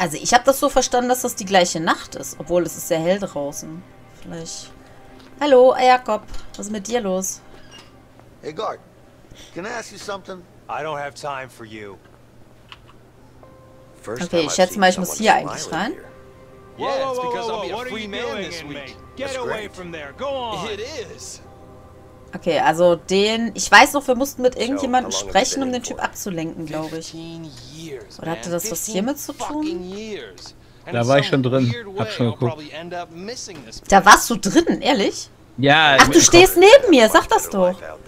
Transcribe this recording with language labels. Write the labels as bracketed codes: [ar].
[de] Also ich habe das so verstanden, dass das die gleiche Nacht ist. Obwohl, es ist sehr hell draußen. Vielleicht. Hallo, Jakob. Was ist mit dir los? [en] Hey, Guard. Can I ask you something? I don't have time for you. [de] Okay, ich schätze mal, ich muss hier eigentlich rein. [en] Yeah, it's because I'll be a free man this week. Get away from there. Go on. It is. [de] Okay, also den. Ich weiß noch, wir mussten mit irgendjemandem sprechen, um den Typ abzulenken, glaube ich. Oder hatte das was hiermit zu tun? Da war ich schon drin. Hab schon geguckt. Da warst du drin, ehrlich? Ja. Ach, du stehst neben mir, sag das doch.